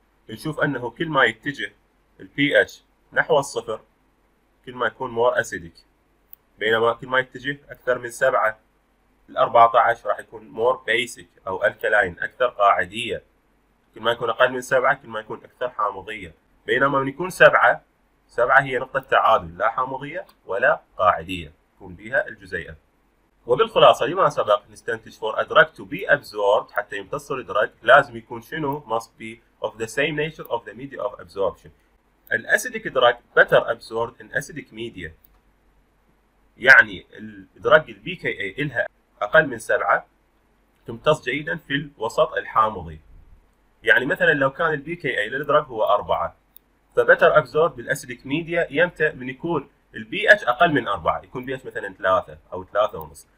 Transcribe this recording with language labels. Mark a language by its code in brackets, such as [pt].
[ar] نشوف انه كل ما يتجه الـ pH نحو الصفر كل ما يكون [en] more acidic، [ar] بينما كل ما يتجه اكثر من 7 الـ 14 راح يكون [en] more basic [ar] او [en] alkaline، [ar] اكثر قاعدية. كل ما يكون اقل من 7 كل ما يكون اكثر حامضية، بينما من يكون 7، 7 هي نقطة تعادل، لا حامضية ولا قاعدية تكون بها الجزيئة. وبالخلاصة لما سبق نستنتج [en] for a drug to be absorbed، [ar] حتى يمتص الدرج لازم يكون شنو؟ [en] must be of the same nature of the media of absorption. An acidic drug better absorbed in acidic media. [ar] يعني الدرج ال pKa إلها أقل من 7 تمتص جيدا في الوسط الحامضي. يعني مثلا لو كان ال pKa للدرج هو 4 فبتر [en] absorbed [ar] بال [en] acidic media [ar] يمتى؟ من يكون ال pH أقل من 4، يكون pH مثلا 3 أو 3.5.